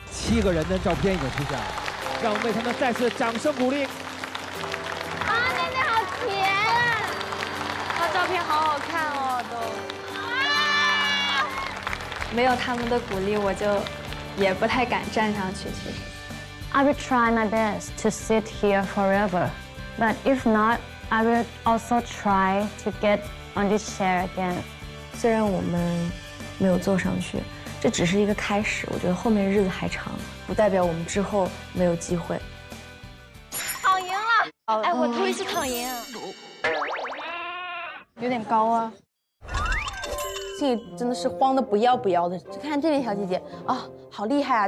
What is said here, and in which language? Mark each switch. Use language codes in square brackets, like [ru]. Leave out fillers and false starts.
[zh] 一个人的照片已经出现了，让我们为他们再次掌声鼓励。啊，妹妹好甜，啊，照片好好看哦，都。啊！没有他们的鼓励，我就也不太敢站上去。其实 [en] ，I will try my best to sit here forever, but if not, I will also try to get on this chair again. [zh] 虽然我们没有坐上去。这只是一个开始，我觉得后面日子还长，不代表我们之后没有机会。躺赢了，哎，我头一次躺赢，有点高啊。心里真的是慌得不要不要的，就看这位小姐姐啊，好厉害啊！